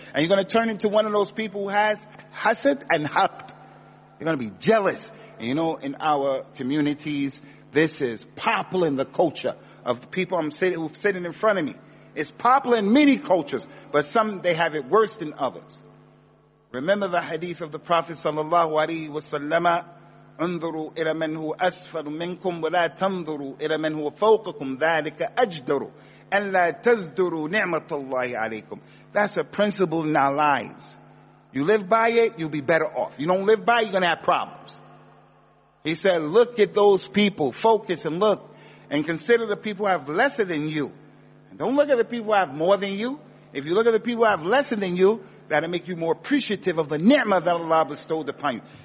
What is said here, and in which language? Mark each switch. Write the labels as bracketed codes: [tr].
[en] And you're going to turn into one of those people who has hasad and haqd. You're going to be jealous. You know, in our communities, this is popular in the culture of the people who are sitting in front of me. It's popular in many cultures, but some, they have it worse than others. Remember the hadith of the Prophet sallallahu alayhi wa sallam, [ar] انظروا إلى من هو أسفل منكم ولا تنظروا إلى من هو فوقكم ذلك أجدر أن لا تزدروا نعمة الله عليكم. [en] That's a principle in our lives. You live by it, you'll be better off. You don't live by it, you're going to have problems. He said, look at those people, focus and look, and consider the people who have lesser than you. And don't look at the people who have more than you. If you look at the people who have lesser than you, that'll make you more appreciative of the ni'mah that Allah bestowed upon you.